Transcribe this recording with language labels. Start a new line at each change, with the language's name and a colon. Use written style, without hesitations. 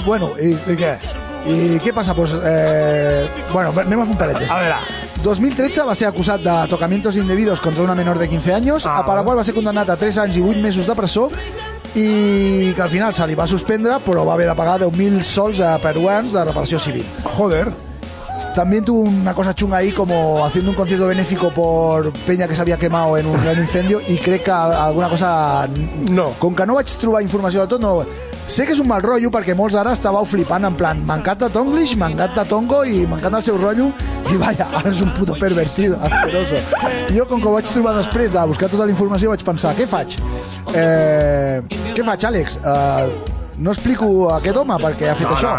Catalan: I què passa? Anem a fer un parèntesi. A veure... 2013 va ser acusat de
Spanish: tocamientos indebidos
Catalan: contra una menor de 15 anys, a per la qual va ser condemnat a 3 anys i 8 mesos de presó i que al final se li va suspendre, però va haver de pagar 10.000 sols a peruans de reparació civil.
Spanish: Joder. També tuvo una cosa chunga ahí, como haciendo un concierto benéfico por peña que se había quemado en un gran incendio,
Catalan: i crec que alguna cosa... No. Com que no vaig trobar informació de tot, no... Sé que és un mal rotllo, perquè molts ara estàveu flipant, en plan, m'encanta Tonglish, m'encanta Tongo i m'encanta el seu rotllo, i vaja, ara és
Spanish: un puto pervertido, asqueroso.
Catalan: Jo, com que ho vaig trobar després de buscar tota la informació, vaig pensar, què faig? Què faig, Àlex? No explico a aquest home perquè ha fet això.